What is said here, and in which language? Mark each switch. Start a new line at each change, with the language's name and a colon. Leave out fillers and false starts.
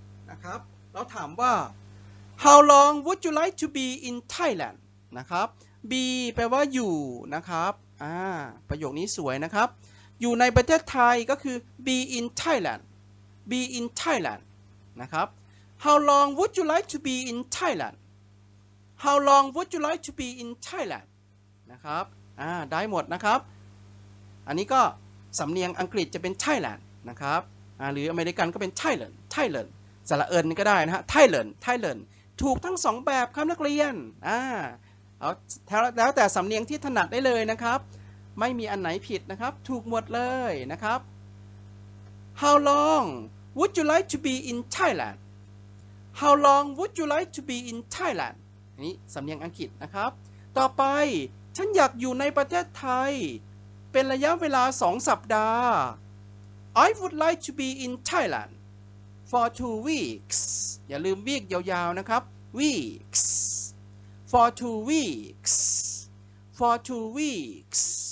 Thai: นะครับเราถามว่า
English: How long would you like to be in Thailand นะครับ be แปลว่าอยู่นะครับประโยคนี้สวยนะครับอยู่ในประเทศไทยก็คือ be in Thailand be in Thailand นะครับHow long would you like to be in Thailand? How long would you like to be in Thailand?
Thai: นะครับได้หมดนะครับอันนี้ก็สำเนียงอังกฤษจะเป็น Thailand นะครับหรืออเมริกันก็เป็น Thailand Thailand สระเอิญก็ได้นะฮะ Thailand Thailand ถูกทั้ง2แบบครับนักเรียนเอาแล้วแต่สำเนียงที่ถนัดได้เลยนะครับไม่มีอันไหนผิดนะครับถูกหมดเลยนะครับ
English: How long would you like to be in Thailand? How long would you like to be in Thailand?
Thai: นี้สำเนียงอังกฤษนะครับต่อไปฉันอยากอยู่ในประเทศไทยเป็นระยะเวลา2สัปดาห์
English: I would like to be in Thailand for 2 weeks
Thai: อย่าลืม week ยาวๆนะครับ weeks for 2 weeks for 2 weeks